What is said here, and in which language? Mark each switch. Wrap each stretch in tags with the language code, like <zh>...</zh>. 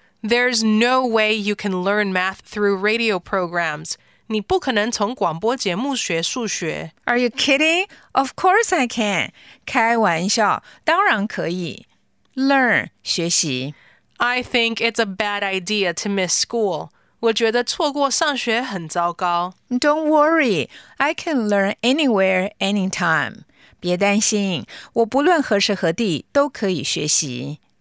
<en>There's no way you can learn math through radio programs.</en> <zh>你不可能从广播节目学数学。</zh> <en>Are you kidding? Of course I can.</en> <zh>开玩笑，当然可以。</zh> <en>Learn 学习。 I think it's a bad idea to miss school.</en> <zh>我觉得错过上学很糟糕。</zh> <en>Don't worry, I can learn anywhere, anytime.</en> <zh>别担心，我不论何时何地都可以学习。</zh>